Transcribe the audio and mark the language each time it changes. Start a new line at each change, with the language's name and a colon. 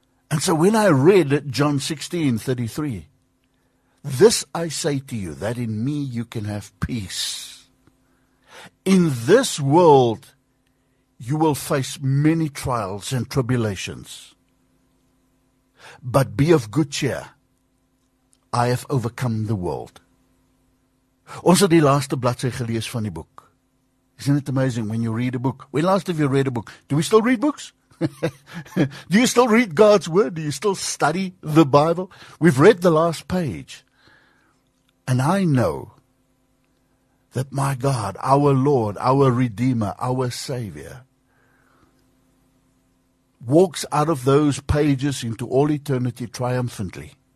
English: And so when I read John 16, 33, this I say to you, that in Me you can have peace. In this world, you will face many trials and tribulations. But be of good cheer. I have overcome the world.
Afrikaans: Ons het die laaste bladsy gelees van die boek.
English: Isn't it amazing when you read a book? When last have you read a book? Do we still read books? Do you still read God's word? Do you still study the Bible? We've read the last page. And I know that my God, our Lord, our Redeemer, our Savior, walks out of those pages into all eternity triumphantly.